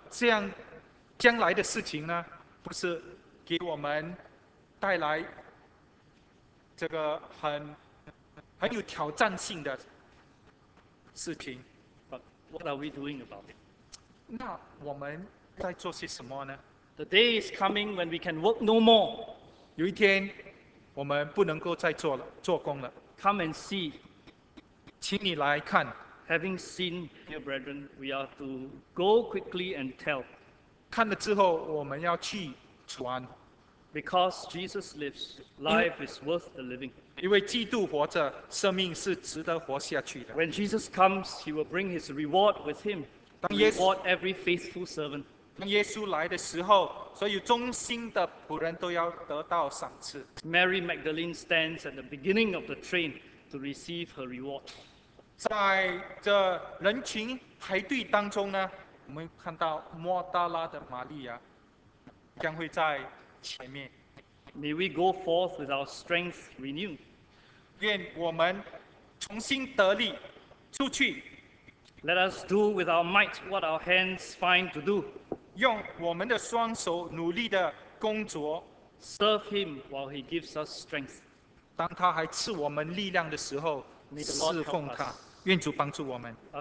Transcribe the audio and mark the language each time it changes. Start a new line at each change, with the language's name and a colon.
Chinese: 这样将来的事情呢，不是给我们带来这个很有挑战性的事情。
English: But what are we doing about it?
Chinese: 那我们在做些什么呢？
English: The day is coming when we can work no more.
Chinese: 有一天我们不能够再做工了。
English: Come and see.
Chinese: 请你来看。
English: Having seen, dear brethren, we are to go quickly and tell.
Chinese: 看了之后我们要去传。
English: Because Jesus lives, life is worth the living.
Chinese: 因为基督活着，生命是值得活下去的。
English: When Jesus comes, he will bring his reward with him. Reward every faithful servant.
Chinese: 当耶稣来的时候，所有忠心的仆人都要得到赏赐。
English: Mary Magdalene stands at the beginning of the train to receive her reward.
Chinese: 在这人群排队当中呢，我们看到抹大拉的玛利亚将会在前面。
English: May we go forth with our strength renewed.
Chinese: 愿我们重新得力出去。
English: Let us do with our might what our hands find to do.
Chinese: 用我们的双手努力的工作。
English: Serve him while he gives us strength.
Chinese: 当他还赐我们力量的时候，侍奉他。愿主帮助我们。